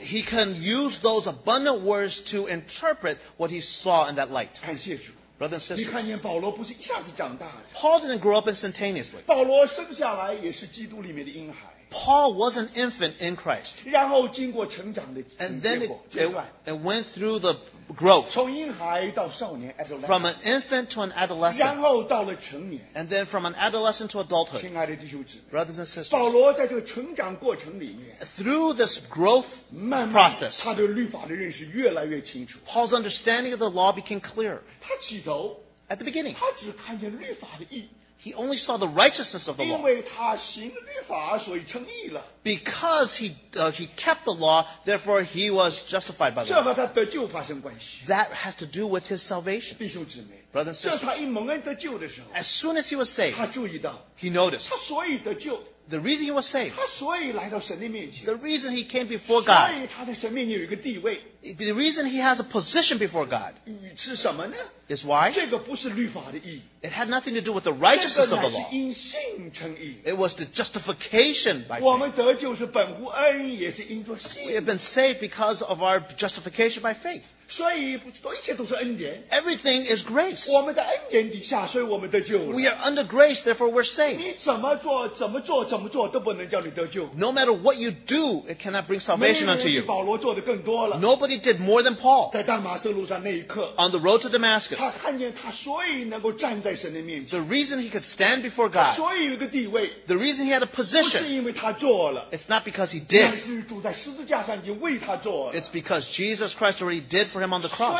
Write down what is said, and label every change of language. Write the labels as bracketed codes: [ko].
[en] He can use those abundant words to interpret what he saw in that light. [zh] 感谢主 [en] Brothers and sisters, [zh] 你看见保罗不是一下子长大的 [en] Paul didn't grow up instantaneously. [zh] 保罗生下来也是基督里面的婴孩 [en] Paul was an infant in Christ. [zh] 然后经过成长的结果 [en] And then it went through the growth. [zh] 从婴孩到少年 adolescent. [en] From an infant to an adolescent. [zh] 然后到了成年 [en] And then from an adolescent to adulthood. [zh] 亲爱的弟兄姊妹 [en] Brothers and sisters. [zh] 保罗在这个成长过程里面 [en] Through this growth process. [zh] 慢慢他对律法的认识越来越清楚 [en] Paul's understanding of the law became clear. [zh] 他起头 [en] At the beginning. [zh] 他只看见律法的义 [en] He only saw the righteousness of the law. [zh] 因为他行律法，所以称义了。 [en] Because he kept the law, therefore he was justified by the law. [zh] 这和他得救发生关系。 [en] That has to do with his salvation. [zh] 弟兄姊妹。 [en] Brothers and sisters. [zh] 这他一蒙恩得救的时候。 [en] As soon as he was saved. [zh] 他注意到。 [en] He noticed. [zh] 他所以得救。 [en] The reason he was saved. [zh] 他所以来到神的面前。 [en] The reason he came before God. [zh] 所以他在神面前有一个地位。 [en] The reason he has a position before God. [zh] 是什么呢？ [en] Is why? [zh] 这个不是律法的义。 [en] It had nothing to do with the righteousness of the law. [zh] 这个乃是因信称义。 [en] It was the justification by faith. [zh] 我们得救是本乎恩，也是因着信。 [en] We have been saved because of our justification by faith. [zh] 所以一切都是恩典。 [en] Everything is grace. [zh] 我们在恩典底下，所以我们得救了。 [en] We are under grace, therefore we're saved. [zh] 你怎么做，怎么做，怎么做都不能叫你得救。 [en] No matter what you do, it cannot bring salvation unto you. [zh] 没人比保罗做的更多了。 [en] Nobody did more than Paul. [zh] 在大马色路上那一刻。 [en] On the road to Damascus. [zh] 他看见他所以能够站在神的面前。 [en] The reason he could stand before God. [zh] 他所以有个地位。 [en] The reason he had a position. [zh] 不是因为他做了。 [en] It's not because he did. [zh] 乃是主在十字架上已经为他做了。 [en] It's because Jesus Christ already did for him on the cross.